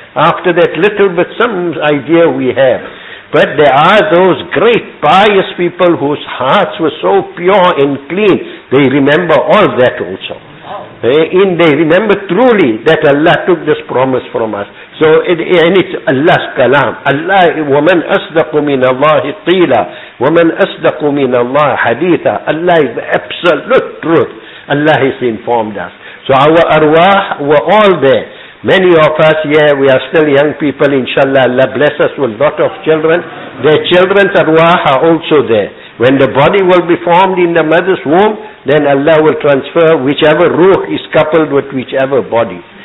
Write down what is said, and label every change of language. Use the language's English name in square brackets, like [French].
[English] After that little bit, some idea we have. But there are those great pious people whose hearts were so pure and clean, they remember all that also. Wow. They remember truly that Allah took this promise from us. So, and it's Allah's kalam. [Arabic] Allah, وَمَنْ أَصْدَقُ مِنَ اللَّهِ قِيلًا وَمَنْ أَصْدَقُ مِنَ اللَّهِ حَدِيثًا. [English] Allah is the absolute truth. Allah has informed us. So our arwah were all there. Many of us, yeah, we are still young people, inshallah, Allah bless us with a lot of children. Their children's arwah are also there. When the body will be formed in the mother's womb, then Allah will transfer whichever ruh is coupled with whichever body.